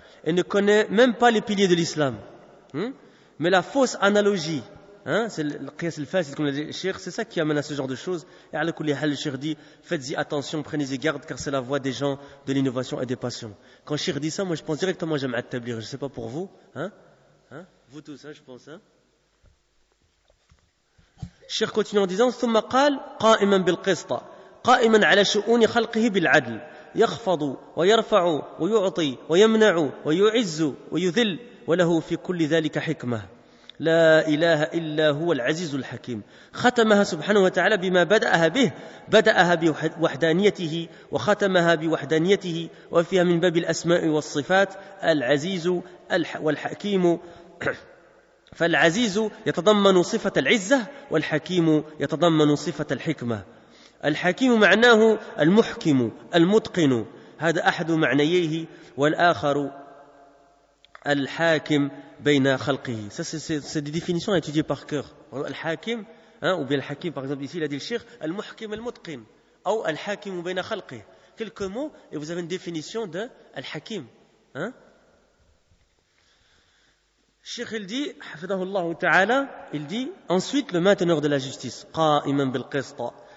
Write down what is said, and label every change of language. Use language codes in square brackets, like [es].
[fr] Et ne connaissent même pas les piliers de l'islam. Mais la fausse analogie, hein, c'est le qiyas al-fasid, comme l'a dit le cheikh, c'est ça qui amène à ce genre de choses. Et [ar] ala kulli hal, [fr] le cheikh dit, faites-y attention, prenez-y garde, car c'est la voie des gens de l'innovation et des passions. Quand le cheikh dit ça, moi je pense directement à Jamaat Tabligh, je ne sais pas pour vous, hein, vous tous, hein, je pense. Hein. Le cheikh continue en disant, [ar] ثم قال قائما بالقسط قائما على شؤون خلقه بالعدل يخفض ويرفع ويعطي ويمنع ويعز ويذل وله في كل ذلك حكمة لا إله إلا هو العزيز الحكيم. ختمها سبحانه وتعالى بما بدأها به، بدأها بوحدانيته وختمها بوحدانيته، وفيها من باب الأسماء والصفات العزيز والحكيم. فالعزيز يتضمن صفة العزة، والحكيم يتضمن صفة الحكمة. الحكيم معناه المحكم المتقن، هذا أحد معنييه، والآخر Al-Hakim Bayna Khalqihi. [fr] Ça, c'est des définitions à étudier par cœur. Al-Hakim, hein, ou bien Al-Hakim, par exemple, ici, il a dit le Cheikh, Al-Muhkim Al-Mutqim, ou [ar] Al-Hakim Bayna Khalqihi. [fr] Quelques mots, et vous avez une définition de Al-Hakim. Hein? Cheikh, il dit, Hafidahullah Ta'ala, il dit, ensuite, le mainteneur de la justice, [ar] Qa'iman Bil-Qista.